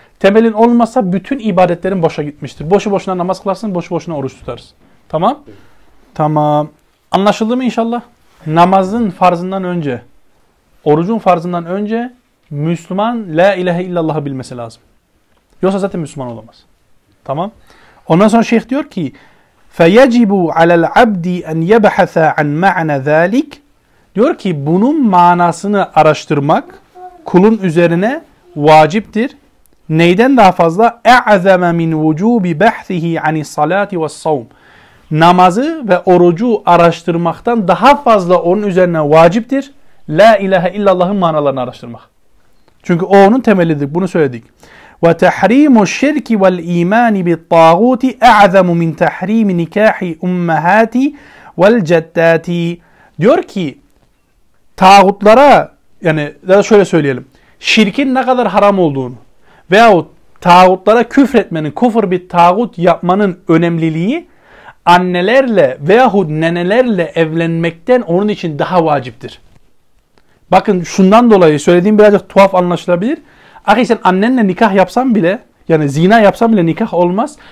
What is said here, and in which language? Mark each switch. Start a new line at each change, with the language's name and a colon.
Turkish: Temelin olmasa bütün ibadetlerin boşa gitmiştir. Boşu boşuna namaz kılarsın, boşu boşuna oruç tutarsın. Tamam? Tamam. Anlaşıldı mı inşallah? Namazın farzından önce, orucun farzından önce Müslüman la ilahe illallah'ı bilmesi lazım. Yoksa zaten Müslüman olamaz. Tamam? Ondan sonra şeyh diyor ki,
Arabic: فَيَجِبُ عَلَى الْعَبْدِ اَنْ يَبْحَثَ عَنْ مَعْنَ ذَٰلِكَ.
Turkish: Diyor ki bunun manasını araştırmak kulun üzerine vaciptir. Neyden daha fazla?
Arabic: اَعْذَمَ مِنْ وُجُوبِ بَحْثِهِ عَنِ الصَّلَاةِ وَالصَّوْمِ.
Turkish: Namazı ve orucu araştırmaktan daha fazla onun üzerine vaciptir. La ilahe illallah'ın manalarını araştırmak. Çünkü o onun temelidir. Bunu söyledik.
Arabic: وَتَحْرِيمُ الشِّرْكِ وَالْاِيمَانِ بِالطَّاغُوتِ اَعْذَمُ مِنْ تَحْرِيمِ نِكَاحِ اُمَّهَاتِ وَالْجَدَّاتِ.
Turkish: Diyor ki, tağutlara Yani daha şöyle söyleyelim. Şirkin ne kadar haram olduğunu veyahut tağutlara küfretmenin, kufur bir tağut yapmanın önemliliği annelerle veyahut nenelerle evlenmekten onun için daha vaciptir. Bakın şundan dolayı söylediğim birazcık tuhaf anlaşılabilir. Ahi sen annenle nikah yapsan bile, yani zina yapsan bile nikah olmaz.